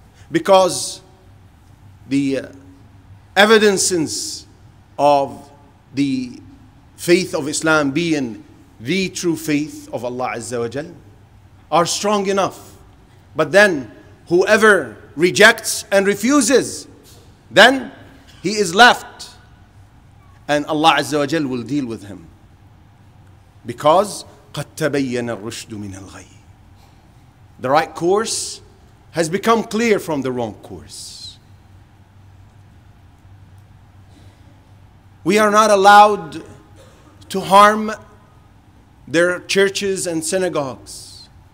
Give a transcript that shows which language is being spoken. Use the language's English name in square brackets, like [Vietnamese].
[English] Because the evidences of the faith of Islam being the true faith of Allah Azza wa Jal are strong enough. But then whoever rejects and refuses, then he is left. And Allah Azza wa Jal will deal with him. Because [Arabic] قَدْ تَبَيَّنَ الرُّشْدُ مِنَ الْغَيِّ. [English] The right course has become clear from the wrong course. We are not allowed to harm their churches and synagogues.